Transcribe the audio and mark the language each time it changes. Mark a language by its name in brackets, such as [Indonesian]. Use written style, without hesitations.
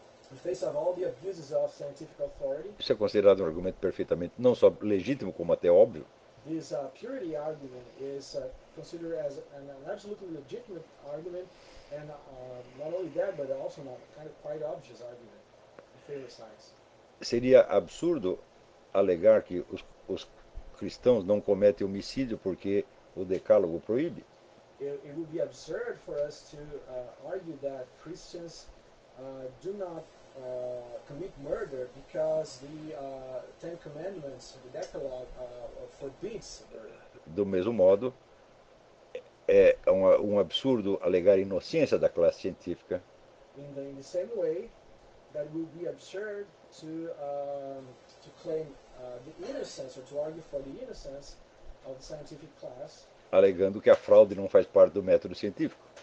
[English] in face of all the abuses of scientific authority, [Portuguese] isso é considerado um argumento perfeitamente não só legítimo como até óbvio. [English] This purity argument is considered as an absolutely legitimate argument, and not only that, but also a kind of quite obvious argument in favor of science. [Portuguese] Seria absurdo alegar que os cristãos não cometem homicídio porque o Decálogo proíbe? [English] It would be absurd for us to argue that Christians do not commit murder because the Ten Commandments, the Decalogue, forbids murder. [Portuguese] Do mesmo modo, é um absurdo alegar inocência da classe científica. [English] In the same way, that would be absurd to claim the innocence or to argue for the innocence of the scientific class. [Portuguese] Alegando que a fraude não faz parte do método científico.